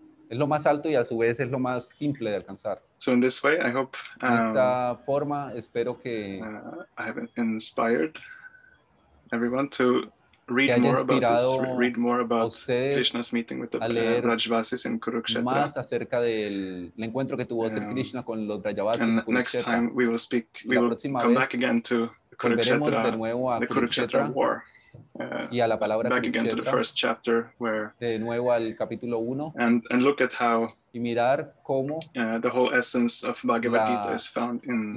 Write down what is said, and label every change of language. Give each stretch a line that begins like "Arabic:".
Spanish: es lo más alto y a su vez es lo más simple de alcanzar.
English: So in this way, I hope,
Spanish: esta forma espero que
English: I have inspired everyone to read more about this, read more about Krishna's meeting with the Rajvasis in Kurukshetra.
Spanish: Más acerca del encuentro que tuvo Sri Krishna con los Rajvasis en Kurukshetra.
English: And next time we will come back again to Kurukshetra,
Spanish: de nuevo a
English: the Kurukshetra war.
Spanish: Y a la palabra
English: back again to the first chapter where
Spanish: de nuevo al capítulo uno,
English: and look at how
Spanish: y mirar cómo,
English: the whole essence of Bhagavad Gita is found in